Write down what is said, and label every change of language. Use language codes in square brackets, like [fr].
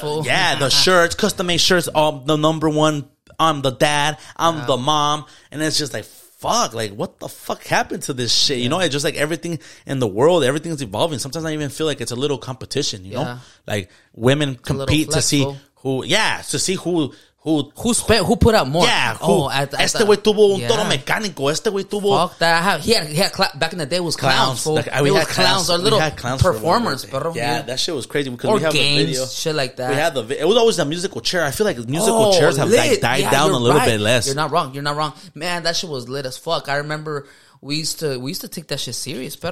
[en] The shirts, custom-made shirts, all the number one. I'm the dad, I'm the mom. And it's just like, fuck, like, what the fuck happened to this shit? Yeah. You know, it's just like everything in the world, everything's evolving. Sometimes I even feel like it's a little competition, you know? Like, women compete to see who, who put out more. [es] Este güey tuvo un toro mecánico. Este güey tuvo. [en] Fuck that. Back in the day, it was clowns. We had clowns. Performers, bro. Yeah, that shit was crazy. Because we have games, the video. Shit like that. We had the. It was always a musical chair. I feel like musical chairs have died down a little bit less. You're not wrong. Man, that shit was lit as fuck. I remember we used to take that shit serious, bro.